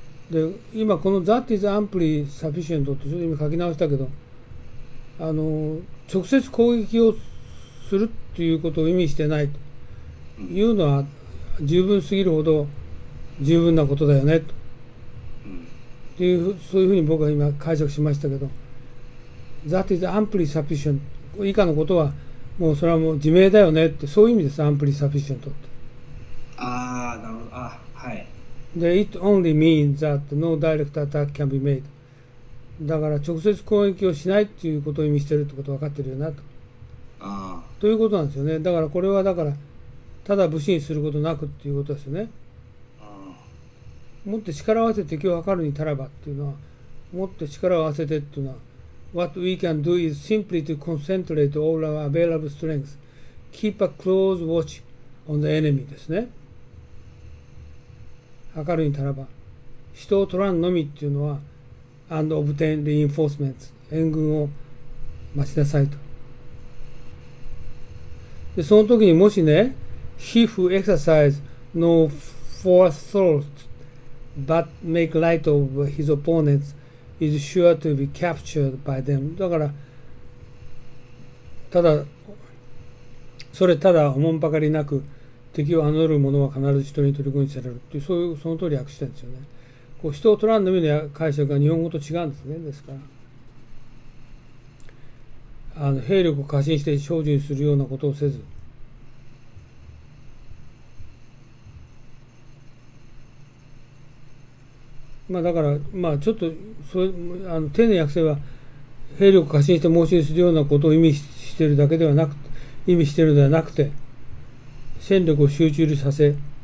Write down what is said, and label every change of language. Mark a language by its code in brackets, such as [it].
[ja] で今この [en] 「That is amply sufficient」 [ja] ってちょっと今書き直したけど、あの直接攻撃をするっていうことを意味してないというのは十分すぎるほど十分なことだよねと、うん、っていう、そういうふうに僕は今解釈しましたけど [en] 「That is amply sufficient」 [ja] 以下のことはもうそれはもう自明だよねって、そういう意味です「amply sufficient」って。ああなるほど、あはい。 [en] で、It only means that no direct attack can be made. [ja] だから直接攻撃をしないっていうことを意味してるってことは分かってるよなと。ああ。ということなんですよね。だからこれはだから、ただ武士にすることなくっていうことですよね。ああ。もって力を合わせて敵を図るにたらばっていうのは、もって力を合わせてっていうのは、 [en] What we can do is simply to concentrate all our available strengths. Keep a close watch on the enemy [ja] ですね。明るいにたらば人を取らんのみっていうのは [en] And obtain reinforcements [ja] 援軍を待ちなさいと。でその時にもしね [en] He who exercise no forethought but make light of his opponents is sure to be captured by them。 [ja] だからただそれただおもんぱかりなく敵を侮る者は必ず人に取り組みされるっていう、そういうその通り訳してるんですよね。こう人を取らんのみの解釈が日本語と違うんですね。ですからあの兵力を過信して精進するようなことをせず、まあだからまあちょっとそれあの丁寧訳せば兵力を過信して猛進するようなことを意味してるだけではなく、意味してるのではなくて戦力を集中させ、